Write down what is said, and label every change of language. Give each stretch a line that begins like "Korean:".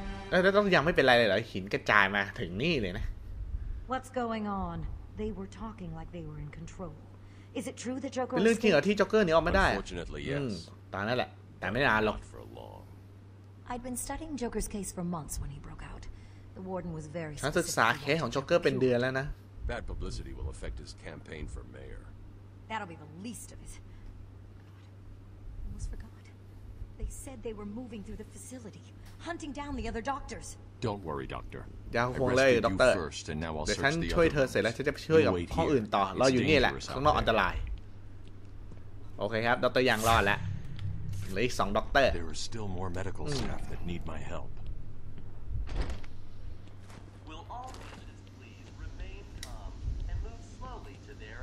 Thai: แล้วต้องยังไม่เป็นไรเลยเหรอหินกระจายมาถึงนี่เลยนะ
English: What's going on? They were talking like they were in control. Is it true that Joker
Thai: เป็นเรื่องจริงเหรอที่จ็อกเกอร์หนีออกมาได้
English: Unfortunately, yes.
Thai: ตอนนั้นแหละแต่ไม่นานหรอก
English: I'd been studying Joker's case for months when he broke out. The warden was very
Thai: ฉันศึกษาเคสของจ็อกเกอร์เป็นเดือนแล้วนะ
English: Bad publicity will affect his campaign for mayor. That'll be the least of it. I almost forgot. They said they were moving through the facility. Hunting down the other doctors. Don't worry, doctor.
Thai: อย่าห่วงเลยด็อกเตอร์ first, เดี๋ยวฉันช่วยเธอเสร็จแล้วฉันจะช่วยกับห้องอื่นต่อเราอยู่นี่แหละข้างนอกอันตรายโอเคครับด็อกเตอร์ยังรอดแล้วเหลืออีก2ด็อกเตอร์
English: There are still more medical staff that need my help. Will all patients please remain calm and move slowly to their